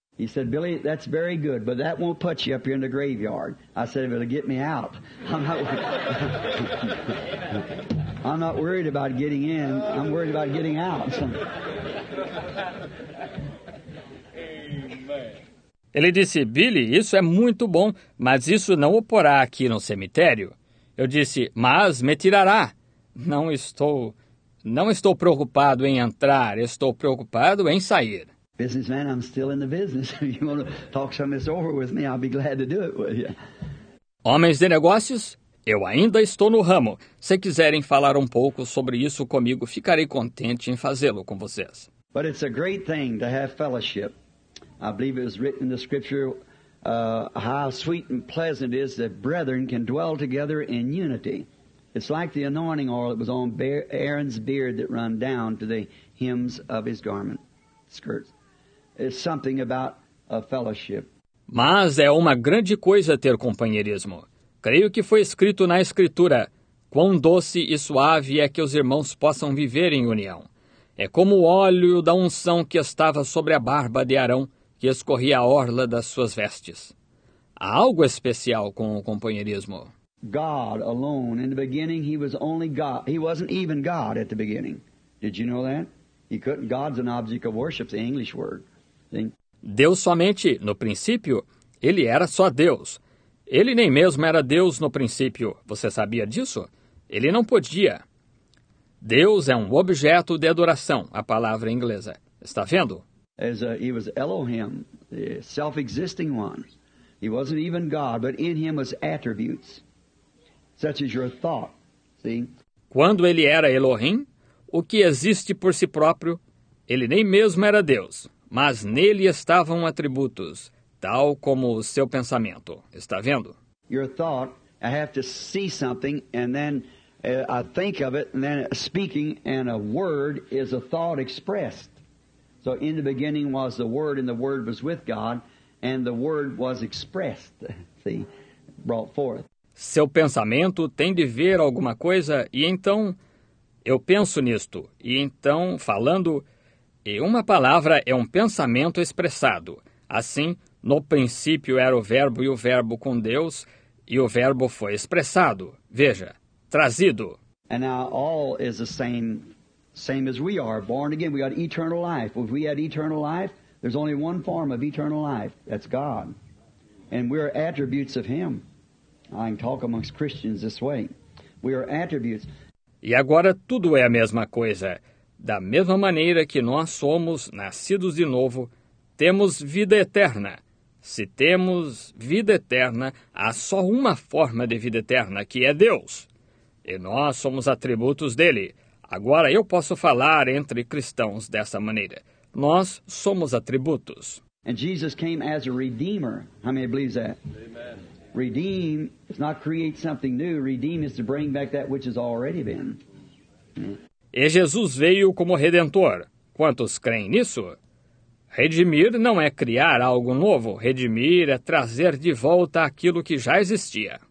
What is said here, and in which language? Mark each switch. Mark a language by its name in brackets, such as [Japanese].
[English] He said, "Billy, that's very good, but that won't put you up here in the graveyard." I said, "It'll get me out. I'm not worried about getting in. I'm worried about getting out." [Portuguese] Ele disse, "Billy, isso é muito bom, mas isso não o porá aqui no cemitério." Eu disse, "Mas me tirará." Não estou preocupado em entrar, estou preocupado em sair. [English] Businessman, I'm still in the business. If you want to talk some of this over with me, I'll be glad to do it with you. [Portuguese] Homens de negócios, eu ainda estou no ramo. Se quiserem falar um pouco sobre isso comigo, ficarei contente em fazê-lo com vocês. [English] But it's a great thing to have fellowship. I believe it was written in the scripture, how sweet and pleasant it is that brethren can dwell together in unity. It's like the anointing oil that was on Aaron's beard that run down to the hems of his garment, skirts. It's something about a fellowship. [Portuguese] Mas é uma grande coisa ter companheirismo. Creio que foi escrito na escritura, quão doce e suave é que os irmãos possam viver em união. É como o óleo da unção que estava sobre a barba de Arão, que escorria a orla das suas vestes. Há algo especial com o companheirismo. [English] God alone. In the beginning, he was only God. He wasn't even God at the beginning. Did you know that? He couldn't. God's an object of worship, the English word. See? [Portuguese] Deus somente, no princípio, ele era só Deus. Ele nem mesmo era Deus no princípio. Você sabia disso? Ele não podia. Deus é um objeto de adoração, a palavra inglesa. Está vendo? [English] He was Elohim, the self-existing one. He wasn't even God, but in him was attributes, such as your thought. See? [Portuguese] Quando ele era Elohim, o que existe por si próprio, ele nem mesmo era Deus, mas nele estavam atributos, tal como o seu pensamento. Está vendo? [English] Your thought, I have to see something, and then I think of it, and then speaking, and a word is a thought expressed. So in the beginning was the Word, and the Word was with God, and the Word was expressed, see, brought forth. [Portuguese] Seu pensamento tem de ver alguma coisa, e então eu penso nisto. E então, falando, e uma palavra é um pensamento expressado. Assim, no princípio era o Verbo e o Verbo com Deus, e o Verbo foi expressado. Veja, trazido. [English] And now all is the same. Same as we are, born again, we got eternal life. If we had eternal life, there's only one form of eternal life, that's God. And we're attributes of Him. I can talk amongst Christians this way. We are attributes. [Portuguese] E agora tudo é a mesma coisa. Da mesma maneira que nós somos nascidos de novo, temos vida eterna. Se temos vida eterna, há só uma forma de vida eterna, que é Deus. E nós somos atributos dele. Agora eu posso falar entre cristãos dessa maneira. Nós somos atributos. [English] And Jesus came as a redeemer. How many believes that? Amen. Redeem is not create something new. Redeem is to bring back that which has already been. [Portuguese] E Jesus veio como redentor. Quantos creem nisso? Redimir não é criar algo novo. Redimir é trazer de volta aquilo que já existia.